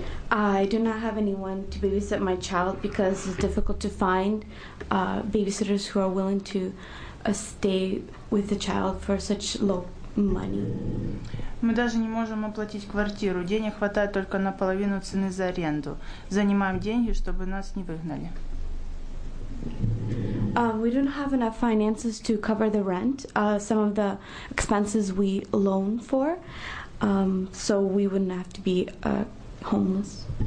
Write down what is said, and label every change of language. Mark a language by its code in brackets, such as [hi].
[en] I do not have anyone to babysit my child because it's difficult to find babysitters who are willing to stay with the child for such low money. [ru] Мы даже не можем оплатить квартиру. Денег хватает только на половину цены за аренду. Занимаем деньги, чтобы нас не выгнали. [en] We don't have enough finances to cover the rent, some of the expenses we loan for, so we wouldn't have to be homeless.